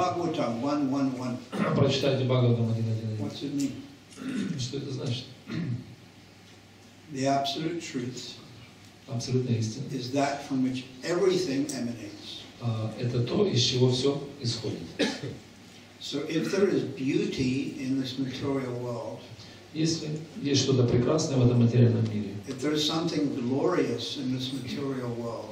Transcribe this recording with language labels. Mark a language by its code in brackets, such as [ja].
[ru] Бхагаватам 1.1.1. Прочитайте Бхагаватам 1.1.1. [en] What's it mean? [ru] Что это значит? [en] The absolute truth. [ru] Абсолютная истина. [en] Is that from which everything emanates. [ru] Это то, из чего все исходит. [en] So if there is beauty in this material world, [ru] если есть что-то прекрасное в этом материальном мире, [en] if there is something glorious in this material world,